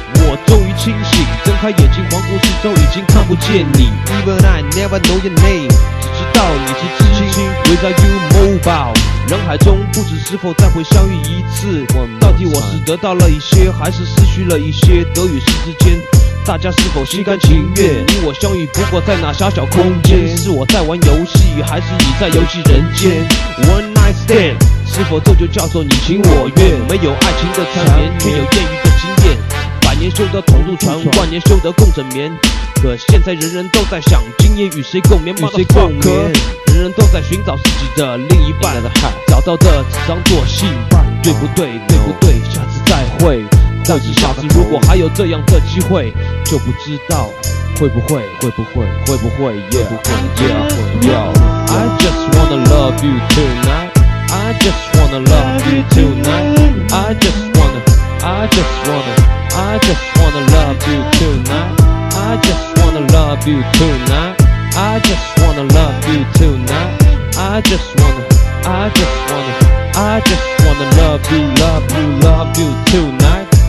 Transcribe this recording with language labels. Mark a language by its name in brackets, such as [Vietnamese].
[Chinese] 我终于清醒，睁开眼睛环顾四周，已经看不见你。 [English] Even I never know your name， [Chinese] 只知道你是知青。 [English] Where are you mobile？ [Chinese] 人海中不知是否再会相遇一次，到底我是得到了一些还是失去了一些？得与失之间，大家是否心甘情愿？你我相遇不过在那狭 小空间，是我在玩游戏还是你在游戏人间？ [English] One night stand， [Chinese] 是否这就叫做你情我愿？没有爱情的缠绵，却有艳遇的经验。百年修得同入船，万年修得共枕眠。可现在人人都在想今夜与谁共眠，与谁共眠，人人都在寻找自己的另一半，找到的只当作性伴，对不对？对不对？下次再会。但是下次如果还有这样的机会，就不知道会不会会不会会不会 [English] yeah, [Chinese] 会不会 [English] yeah, [Chinese] 会不会 [English] yeah, I just wanna love you tonight, I just wanna love you tonight, I just wanna, I just wanna, I just wanna love you tonight, I just wanna love you tonight, I just wanna love you tonight, I just wanna, I just wanna, I just wanna love you, love you, love you tonight.